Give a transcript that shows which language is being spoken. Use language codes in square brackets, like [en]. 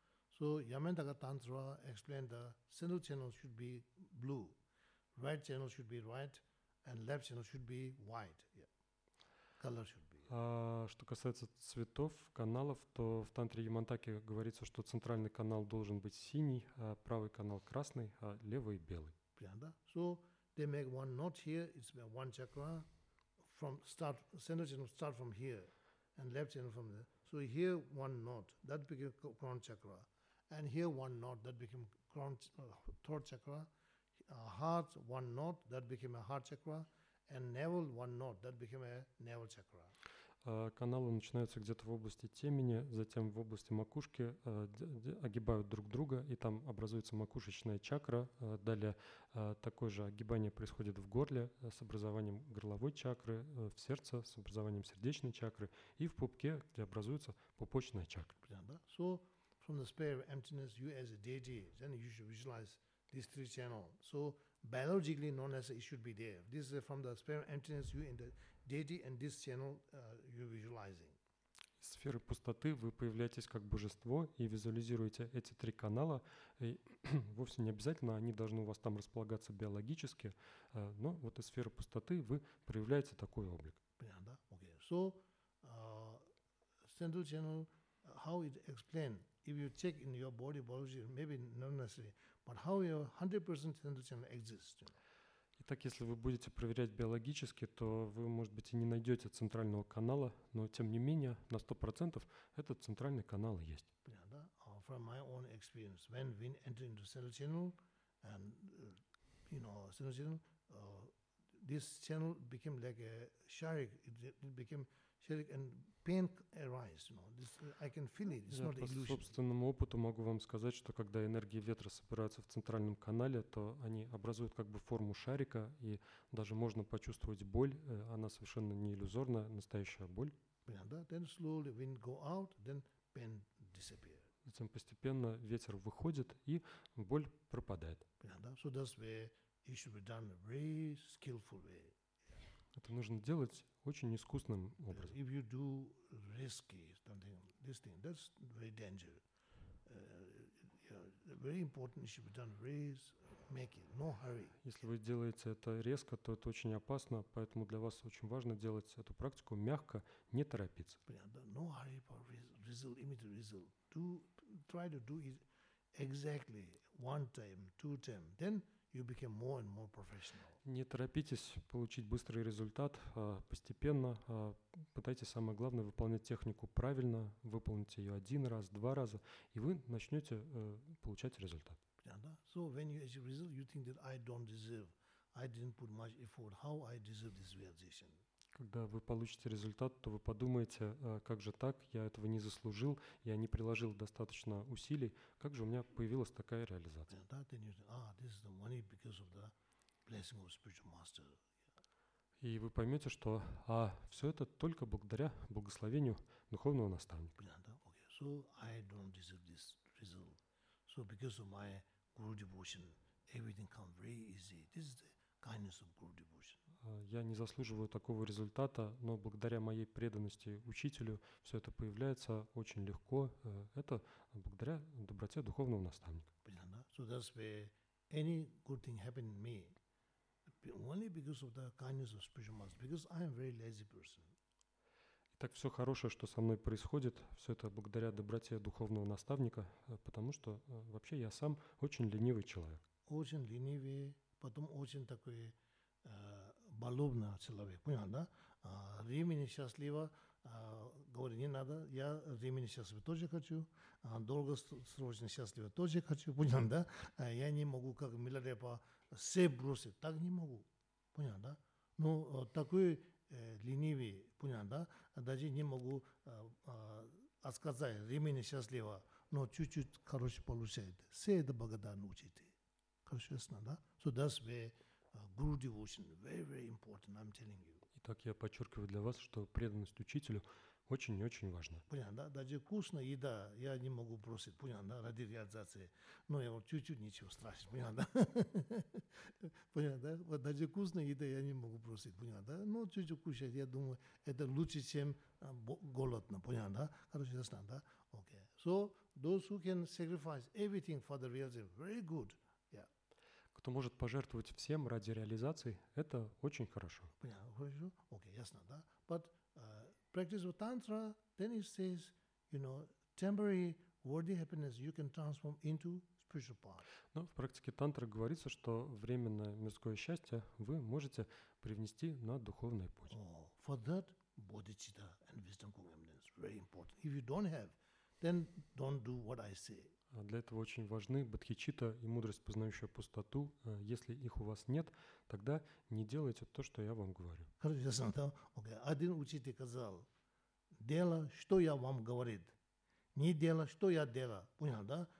[en] So Yamantaka Tantra explained the central channel should be blue, right channel should be white, and left channel should be white. Yeah. Color should be. [ru] А что касается цветов каналов, то в тантре Ямантаки говорится, что центральный канал должен быть синий, а правый канал красный, а левый белый. [en] So they make one knot here, it's one chakra, from start, center chakra start from here, and left chakra from there. So here one knot, that became crown chakra, and here one knot, that became crown throat chakra, heart one knot, that became a heart chakra, and navel one knot, that became a navel chakra. [ru] Каналы начинаются где-то в области темени, затем в области макушки, огибают друг друга, и там образуется макушечная чакра. Далее такое же огибание происходит в горле с образованием горловой чакры, в сердце с образованием сердечной чакры и в пупке, где образуется пупочная чакра. [en] So, from the space of emptiness, you as a deity, then you should visualize these three channels. So, biologically, known as it should be there. This is from the space of emptiness, you in the deity and this channel you visualizing. [ru] Сферы пустоты вы появляетесь как божество и визуализируете эти три канала. И вовсе не обязательно они должны у вас там располагаться биологически, но вот из сферы пустоты вы проявляете такой облик. Понятно, [en] okay. So central channel, how it explain? If you check in your body biology, maybe not necessary, but how your 100% central channel exists. You know? [ru] Итак, если вы будете проверять биологически, то вы, может быть, и не найдете центрального канала, но, тем не менее, на 100% этот центральный канал есть. [en] Yeah, [ru] да? [en] From my own experience, when we enter into central channel, and, you know, central channel, this channel became like a sharik, it became sharik and pain arise, you know, this, I can feel it, it's not illusion. [ru] По собственному опыту могу вам сказать, что когда энергии ветра собираются в центральном канале, то они образуют как бы форму шарика, и даже можно почувствовать боль, она совершенно не иллюзорная, настоящая боль. [en] Then slowly wind go out, then pain disappear. [ru] Затем постепенно ветер выходит, и боль пропадает. [en] So that's where it should be done in a very skillful way. [ru] Это нужно делать очень искусным образом. [en] If you do risky something, this thing, that's very dangerous. Yeah, very important, it should be done risk, make it, no hurry. [ru] Если вы делаете это резко, то это очень опасно, поэтому для вас очень важно делать эту практику мягко, не торопиться. [en] No hurry for result, immediate result. Do, try to do it exactly one time, two time, then you become more and more professional. [ru] Не торопитесь получить быстрый результат, постепенно. Пытайтесь, самое главное, выполнять технику правильно, выполните ее один раз, два раза, и вы начнете получать результат. [en] Yeah, [ru] да? [en] So when you achieve result, you think that I don't deserve, I didn't put much effort, how I deserve this realization? [ru] Когда вы получите результат, то вы подумаете, как же так, я этого не заслужил, я не приложил достаточно усилий, как же у меня появилась такая реализация. [en] Yeah, then you think, this is the money because of the blessing of spiritual master. [ru] И вы поймете, что все это только благодаря благословению духовного наставника. [en] Yeah, okay. So I don't deserve this result. So because of my guru devotion, everything comes very easy. This is the kindness of guru devotion. [ru] Я не заслуживаю такого результата, но благодаря моей преданности учителю все это появляется очень легко. Это благодаря доброте духовного наставника. [en] So that's where any good thing happened to me. Only because of the kindness of spiritual master, because I am a very lazy person. [ru] Итак, все хорошее, что со мной происходит, все это благодаря доброте духовного наставника, потому что вообще я сам очень ленивый человек. Очень ленивый, потом очень такой балубный человек, понял, да? Времени счастливо, говорю, не надо, я времени счастливо тоже хочу, долгосрочно счастливо тоже хочу, понял, да? Я не могу как миллиардер все бросить, так не могу, понял, да? Ну, такой ленивый, понял, да? Даже не могу отказать, времени счастливо, но чуть-чуть, короче, получает. Все это благодарны учителю, короче, ясно, да? [en] So that's where guru devotion very, very important, I'm telling you. [ru] Итак, я подчеркиваю для вас, что преданность учителю очень и очень важна. Понял, да? Даже вкусная еда, я не могу бросить, понял, да, ради реализации. Но я вот чуть-чуть ничего страшного, понял, да? Понял, да? Вот даже вкусная еда, я не могу бросить, понял, да? Но чуть-чуть кушать, я думаю, это лучше, чем голодно, понял, да? Короче, ясно, да? Okay. [en] So those who can sacrifice everything for the reality, very good. [ru] Кто может пожертвовать всем ради реализации, это очень хорошо. Понятно, хорошо? Окей, ясно, да? [en] But practice of tantra, then it says, you know, temporary worldly happiness you can transform into spiritual power. [ru] Но в практике тантры говорится, что временное мирское счастье вы можете привнести на духовный путь. [en] For that, bodhicitta and wisdom commitment is very important. If you don't have, then don't do what I say. [ru] Для этого очень важны бодхичитта и мудрость, познающая пустоту. Если их у вас нет, тогда не делайте то, что я вам говорю. Один учитель сказал, дело, что я вам говорит, не дело, что я делаю. Понял, да?